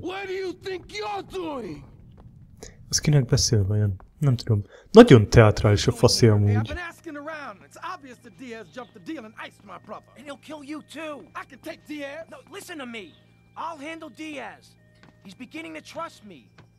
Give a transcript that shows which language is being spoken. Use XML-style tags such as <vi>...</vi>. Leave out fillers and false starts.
<en>What do you think you're doing?</en> <hu>Az kinek beszél vajon? Nem tudom. Nagyon teatrális a faszi amúgy.</hu> <en>It's obvious that Diaz jumped the deal and iced my brother. And he'll kill you too. I can take Diaz. No, listen to me. I'll handle Diaz. He's beginning to trust me.</en>